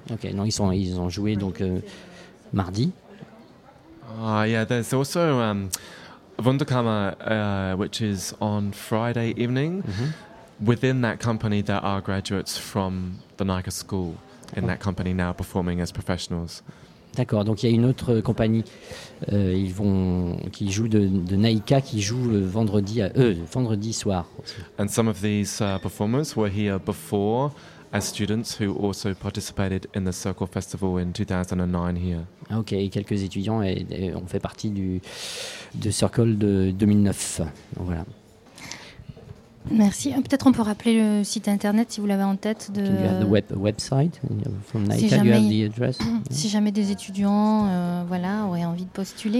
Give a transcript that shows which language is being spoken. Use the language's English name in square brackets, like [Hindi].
[French] Okay, non, ils ont joué donc mardi. [English] Yeah, there's also Wunderkammer, which is on Friday evening. Mm-hmm. Within that company, there are graduates from the NICA school in that company now performing as professionals. [French] D'accord, donc il y a une autre compagnie qui joue de NICA, qui joue vendredi soir. [English] And some of these performers were here before as students who also participated in the Circle Festival in 2009 here. [French] Ok, quelques étudiants ont fait partie du Circle de 2009. Donc voilà. Merci. Peut-être on peut rappeler le site internet si vous l'avez en tête. De... [English] Do you have the website from NICA? [French] Si jamais, [English] you have the address? [French] Si jamais des étudiants auraient envie de postuler.